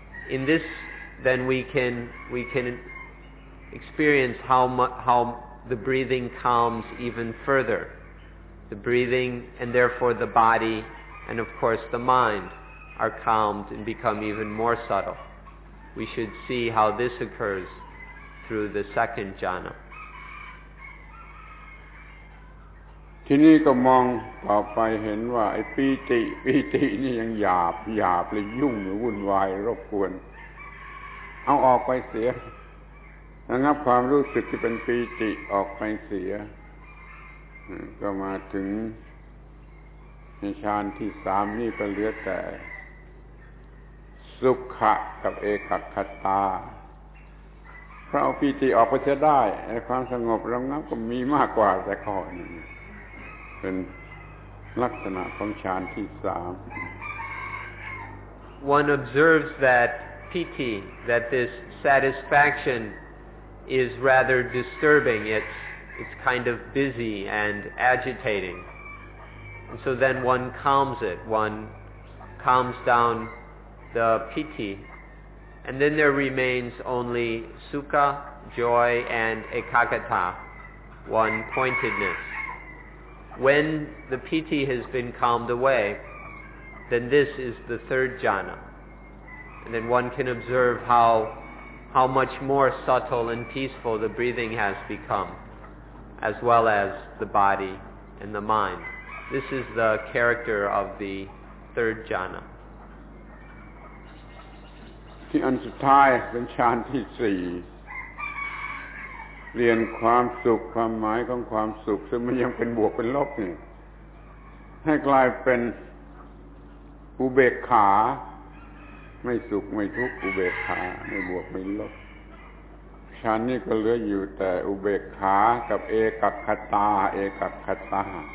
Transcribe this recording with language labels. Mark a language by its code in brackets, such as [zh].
[en] In this, then we can experience how the breathing calms even further. The breathing, and therefore the body, and of course the mind, are calmed and become even more subtle. We should see how this occurs through the second jhana. [th] ทีนี้ก็มองต่อไปเห็นว่าไอ้ปีตินี่ยังหยาบเลยยุ่งวุ่นวายรบกวนเอาออกไปเสียระงับความรู้สึกที่เป็นปีติออกไปเสียก็มาถึงในฌานที่สามนี่ก็เหลือแต่ สุขะกับเอกคตาเพราะปีติออกไปเสียได้ความสงบระงับก็มีมากกว่าแต่ก่อนเป็นลักษณะของฌานที่สาม [en] One observes that piti, that this satisfaction is rather disturbing. It's kind of busy and agitating. And so then one calms it. One calms down. The piti, and then there remains only sukha, joy, and ekagata, one pointedness. When the piti has been calmed away, then this is the third jhana, and then one can observe how much more subtle and peaceful the breathing has become, as well as the body and the mind. This is the character of the third jhana. [th] ที่อันสุดท้ายเป็นฌานที่สี่เรียนความสุขความหมายของความสุขซึ่งมันยังเป็นบวกเป็นลบนี่ให้กลายเป็นอุเบกขาไม่สุขไม่ทุกข์อุเบกขาไม่บวกไม่ลบฌานนี้ก็เหลืออยู่แต่อุเบกขากับเอกคตาเอกคตา